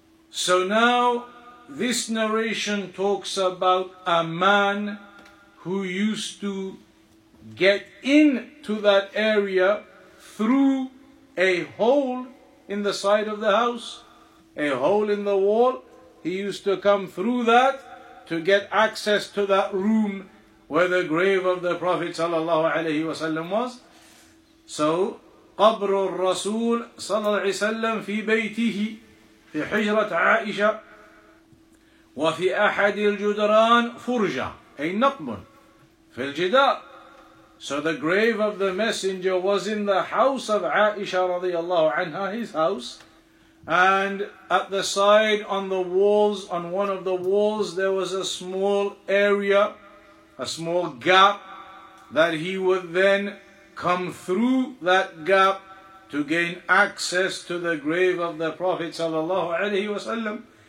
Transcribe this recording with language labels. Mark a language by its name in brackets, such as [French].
[English] So now, this narration talks about a man who used to get into that area through a hole in the side of the house, a hole in the wall. He used to come through that to get access to that room where the grave of the Prophet sallallahu alayhi wa sallam was. [Arabic] So, قبر الرسول صلى الله عليه وسلم في بيته في حجرة عائشة وفي أحد الجدران فرجة أي نقب في الجدار. [English] So the grave of the messenger was in the house of Aisha [Arabic] رضي الله عنها, [English] his house. And at the side on the walls, on one of the walls, there was a small area, a small gap that he would then come through that gap to gain access to the grave of the Prophet sallallahu alayhi wa sallam.